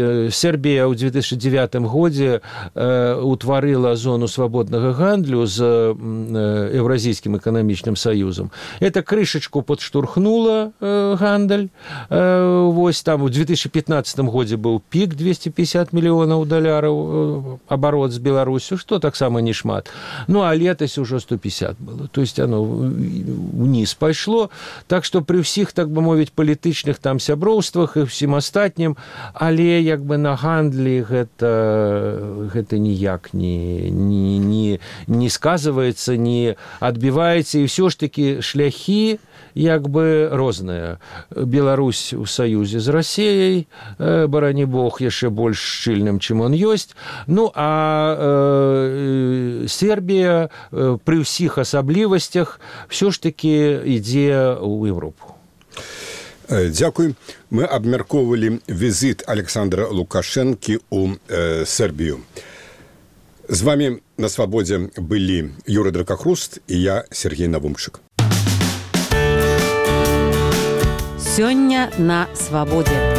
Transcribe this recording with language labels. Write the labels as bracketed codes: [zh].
[be] Сербія ў 2009 годзе утварыла зону свабоднага гандлю з Еўразійскім эканамічным саюзам. Это крышачку падштурхнула гандаль. Вось там у 2015 годзе быў пік 250 мільёнаў даляраў абарот з Беларусю, што таксама не шмат. Ну, а летась ўжо 150 было. [ru] То есть оно [be] ўніз пайшло. Так што пры ўсіх, так бы мовіць, палітычных там сяброўствах і всім астатнім, але як бы на гандлі гэта ніяк не сказываецца, не адбіваецца, і ўсё ж такі шляхі як бы розныя. Беларусь у саюзе з Расіяй, барані бог, яшчэ больш шчыльным, чым он ёсць. Ну, а Сербія пры ўсіх асаблівасцях ўсё ж такі ідзе ў Еўропу. [uk] Дякую. [ru] Мы обмерковывали визит Александра Лукашенко у Сербию. С вами на свободе были Юра Дракохруст и я, Сергей Навумчик. Сегодня на свободе.